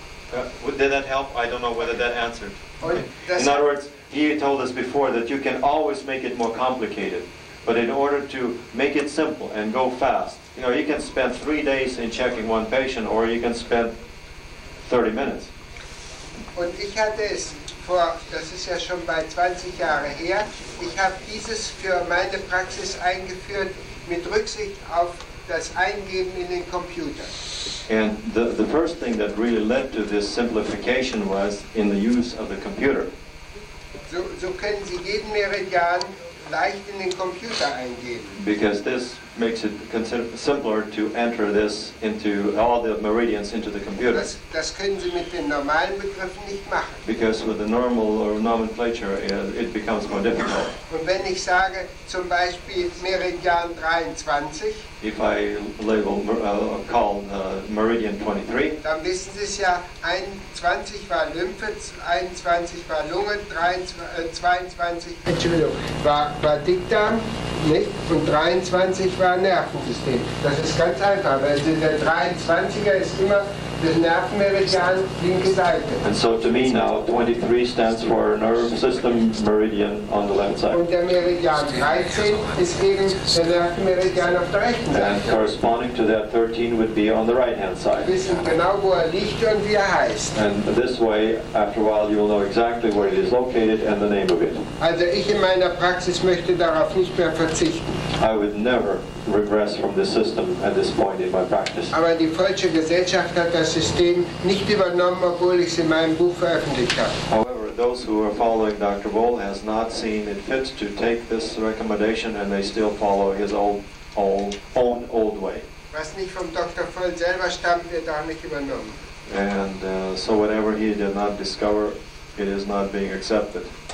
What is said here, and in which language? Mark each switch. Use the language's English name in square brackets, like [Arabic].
[English] Did that help? I don't know whether that answered. In other words, he told us before that you can always make it more complicated. But in order to make it simple and go fast, you know, you can spend 3 days in checking one patient, or you can spend 30 minutes. [German] Und ich hatte es vor, das ist ja schon bei 20 Jahre her, ich habe dieses für meine Praxis eingeführt mit Rücksicht auf das Eingeben in den Computer. [English] And the first thing that really led to this simplification was in the use of the computer. [German] So können Sie jeden Meridian leicht in den Computer eingeben. [English] Because this makes it simpler to enter this into all the meridians into the computer. [German] Das können Sie mit den normalen Begriffen nicht machen. [English] Because with the normal or nomenclature, it becomes more difficult. [German] Und wenn ich sage, zum Beispiel Meridian 23, [English] if I label call Meridian 23, [German] dann wissen Sie es ja, 21 war Lymphe, 21 war Lunge, 22 war Dickdarm, nicht? Und 23 war Nervensystem. Das ist ganz einfach, weil der 23er ist immer das Nervenmeridian linke Seite. [English] And so to me now, 23 stands for nerve system meridian on the left side. [German] Und der Meridian 13 ist eben der Nervenmeridian auf der rechten Seite. [English] And corresponding to that 13 would be on the right hand side. [German] Wir wissen genau, wo liegt und wie heißt. [English] And this way, after a while, you will know exactly where it is located and the name of it. [German] Also ich in meiner Praxis möchte darauf nicht mehr verzichten. [English] I would never regress from the system at this point in my practice. [German] Aber die deutsche Gesellschaft hat das System nicht übernommen, obwohl ich es in meinem Buch veröffentlicht habe. [English] However, those who are following Dr. Bull has not seen it fit to take this recommendation, and they still follow his own old way. [German] Was nicht vom Dr. Bull selber stammt, wird auch nicht übernommen. [English] And so whatever he did not discover, it is not being accepted.